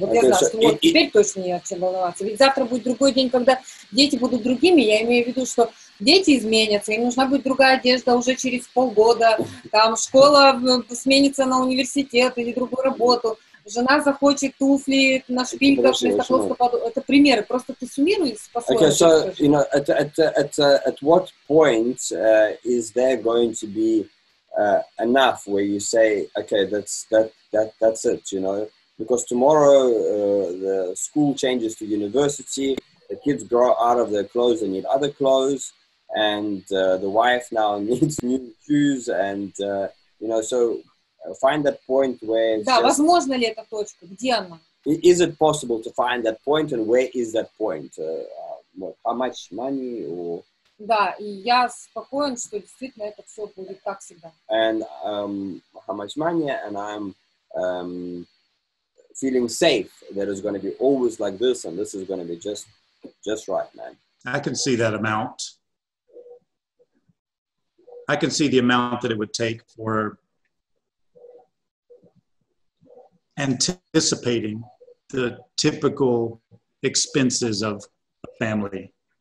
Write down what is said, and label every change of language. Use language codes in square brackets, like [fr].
[ru] И вот okay, я знаю, что вот теперь точно не о чем волноваться. Ведь завтра будет другой день, когда дети будут другими. Я имею в виду, что дети изменятся, им нужна будет другая одежда уже через полгода. Там школа сменится на университет или другую работу. Жена захочет туфли на шпильках. Это примеры, просто ты суммируй по-своему. [en] Okay, so, at what point is there going to be enough where you say, okay, that's it, because tomorrow the school changes to university, the kids grow out of their clothes and need other clothes, and the wife now needs new shoes, and so find that point where [ru] it's да, just, возможно ли эта точка? Где она? [en] Is it possible to find that point, and where is that point? How much money or [ru] да, и я спокоен, что действительно это все будет как всегда. [en] And how much money? And I'm feeling safe that it's going to be always like this, and this is going to be just right, man. I can see that amount. I can see the amount that it would take for anticipating the typical expenses of a family.